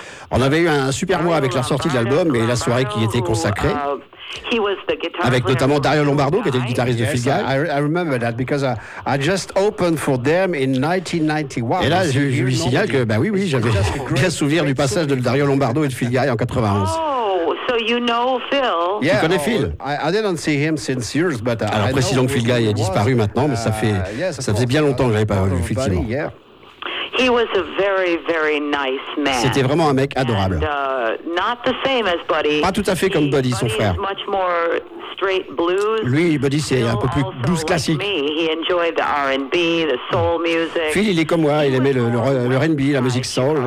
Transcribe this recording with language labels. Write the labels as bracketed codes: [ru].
[fr] On avait eu un super mois avec la sortie de l'album et la soirée qui était consacrée. [en] He was the guitar [fr] avec notamment Dario Lombardo, qui était le guitariste de Fleetwood Mac. [en] I remember that because I just opened for them in 1991. [fr] Et là, je lui signale que, ben oui, j'avais bien souvenir du passage de Dario Lombardo et de Fleetwood Mac en 91. [en] So you know Phil? Yeah, I didn't see him since years, but [fr] alors précisons que Phil Guy est disparu maintenant, mais ça faisait bien longtemps que je n'avais pas vu, effectivement. [en] He was a very, very nice man. [fr] C'était vraiment un mec adorable. [en] And, not the same as Buddy. [fr] Pas tout à fait comme Buddy, son frère. [en] Much more straight blues. [fr] Lui, Buddy, c'est Phil un peu plus blues classique. [en] Like me, he enjoyed the R&B, the soul music. [fr] Phil, il est comme moi, il aimait le R&B, la musique soul.